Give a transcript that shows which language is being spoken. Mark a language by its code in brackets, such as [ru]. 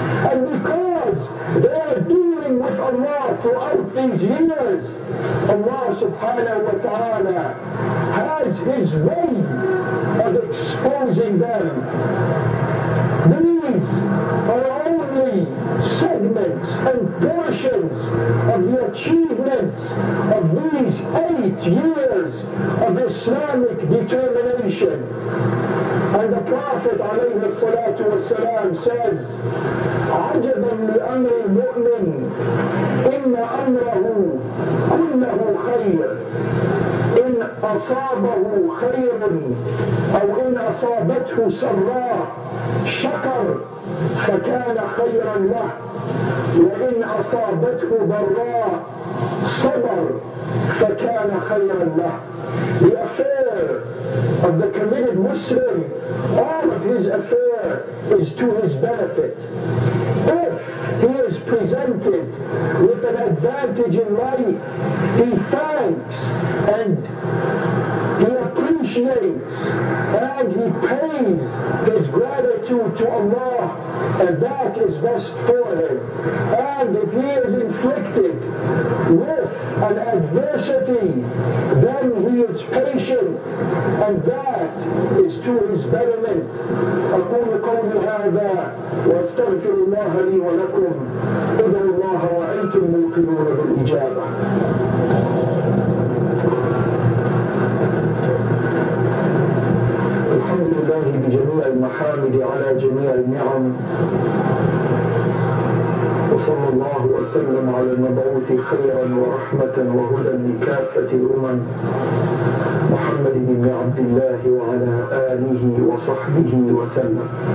[en] And because they are dealing with Allah throughout these years, Allah subhanahu wa ta'ala has his way of exposing them. These are only segments and portions of the achievements of these 8 years of Islamic determination. And the Prophet alayhi salatu wasalam says, [ar] عَجَبًا لِأَمْرِ الْمُؤْمِنِ إِنَّ أَمْرَهُ كُلَّهُ خَيْرٌ إِنْ أَصَابَهُ خَيْرٌ أَوْ إِنْ أَصَابَتْهُ سَرَّاهُ شَكَرْ فَكَانَ خَيْرًا لَهُ وَإِنْ أَصَابَتْهُ ضَرَّاهُ صَبَرْ فَكَانَ خَيْرًا لَهُ. [en] The affair of the committed Muslim, all of his affair is to his benefit. If he is presented with an advantage in life, he thanks and he appreciates and he pays his gratitude to Allah, and that is best for him. And if he is inflicted with an adversity, then he is patient, and that is to his betterment. [ar] أقول قولي هذا واستغفر الله لي ولكم ادعوا الله وأنتم موقنون بالإجابة. الحمد لله بجميع المحامد على جميع النعم، وصلى الله وسلم على المبعوث خيرا ورحمة وهدى لكافة الأمم محمد بن عبد الله وعلى آله وصحبه وسلم.